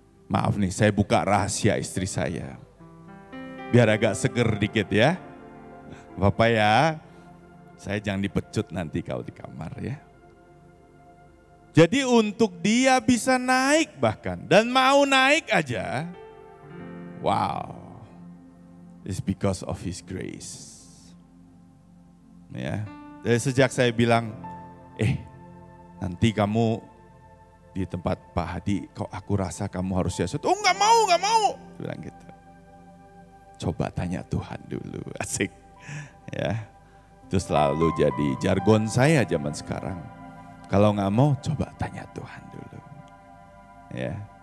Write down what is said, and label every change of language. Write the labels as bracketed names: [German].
[Indonesian] Maaf nih, saya buka rahasia istri saya. Biar agak seger dikit ya. Bapak ya, saya jangan dipecut nanti kalau di kamar ya. Jadi untuk dia bisa naik bahkan, dan mau naik aja, wow. [English] It's because of His grace. [Indonesian] Ya. Dari sejak saya bilang, nanti kamu di tempat Pak Hadi, kok aku rasa kamu harus sesuatu. Oh, enggak mau. Bilang gitu. Coba tanya Tuhan dulu, asik. Ya. Itu selalu jadi jargon saya zaman sekarang. Kalau enggak mau, coba tanya Tuhan dulu. Ya.